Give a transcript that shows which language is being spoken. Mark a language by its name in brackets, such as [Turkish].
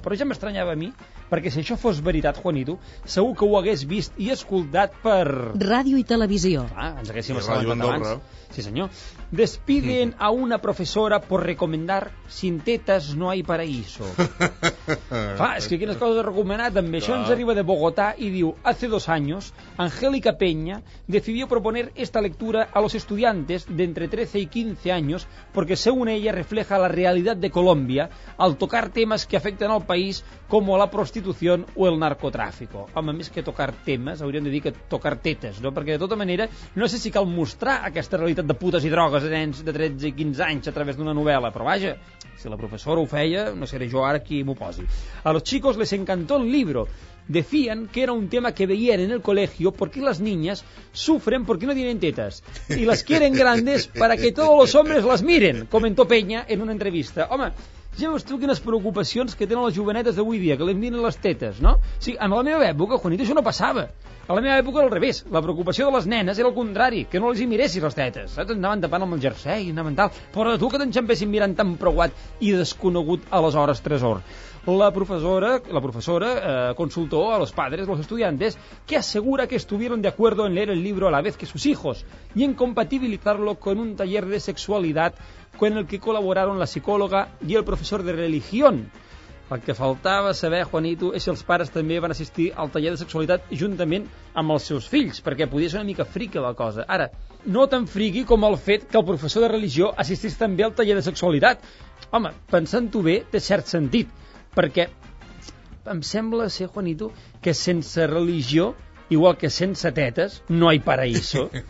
[Catalan] Però ja m'estranyava a mi, perquè si això fos veritat, Juanito, segur que ho hagués vist i escoltat per... Ràdio i televisió. Ah, ens haguéssim assabentat abans. Andorra. Sí, senyor. [Spanish] Despiden a una professora por recomendar sin tetas no hay paraíso. [Catalan] Clar, és que quines coses de recomanar també. Això ens arriba de Bogotà i diu: [Spanish] hace 2 años, Angélica Peña decidió proponer esta lectura a los estudiantes de entre 13 y 15 años porque según ella refleja la realidad de Colombia al tocar temas que afecten al país como la prostitución o el narcotráfico. [Catalan] Home, més que tocar temes, hauríem de dir que tocar tetes, no? Perquè de tota manera no sé si cal mostrar aquesta realitat de putes i drogues a nens de 13 i 15 anys a través d'una novel·la, però vaja, si la professora ho feia, no seré jo ara qui m'ho posi. [Spanish] A los chicos les encantó el libro. Decían que era un tema que veían en el colegio porque las niñas sufren porque no tienen tetas y las quieren grandes para que todos los hombres las miren, comentó Peña en una entrevista. [Catalan] Home, ja veus tu quines preocupacions que tenen les jovenetes d'avui dia, que li miren les tetes, no? Sí, en la meva època, Juanito, això no passava. A la meva època era al revés. La preocupació de les nenes era el contrari, que no les hi miressis les tetes. Saps? Anaven tapant amb el jersei, anaven tal. Però tu que t'enxampessin mirant tan preuat i desconegut aleshores tresor. [Spanish] La professora consultó a los padres, los estudiantes, que asegura que estuvieron de acuerdo en leer el libro a la vez que sus hijos y en compatibilizarlo con un taller de sexualidad con el que colaboraron la psicóloga y el profesor de religión. [Catalan] El que faltava saber, Juanito, és si els pares també van assistir al taller de sexualitat juntament amb els seus fills, perquè podia ser una mica friqui la cosa. Ara, no tan friqui com el fet que el professor de religió assistís també al taller de sexualitat. Home, pensant-ho bé, té cert sentit, perquè em sembla ser, Juanito, que sense religió, igual que sense tetes, no hi paraíso.